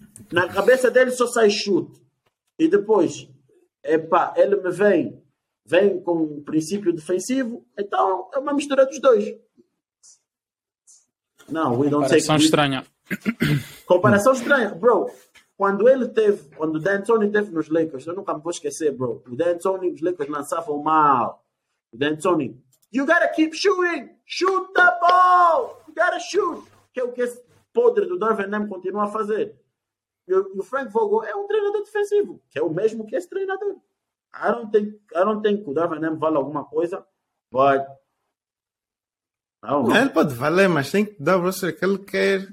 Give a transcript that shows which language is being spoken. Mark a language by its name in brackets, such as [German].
[Portuguese] Na cabeça dele só sai chute e depois epá, ele me vem com um princípio defensivo, então é uma mistura dos dois. [English] Não, we don't [Portuguese] comparação [English] take... [Portuguese] estranha, comparação estranha, bro. Quando ele teve, quando o D'Antoni teve nos Lakers, eu nunca me vou esquecer, bro. O D'Antoni, os Lakers lançavam mal. [English] O D'Antoni, you gotta keep shooting, shoot the ball, you gotta shoot. [Portuguese] Que é o que esse podre do Dorvin Ham continua a fazer. E o Frank Vogel é um treinador defensivo, que é o mesmo que esse treinador. [English] I don't think [Portuguese] que o Dorvin Ham vale alguma coisa, but... Não, ele pode valer, mas tem que dar o roster que ele quer.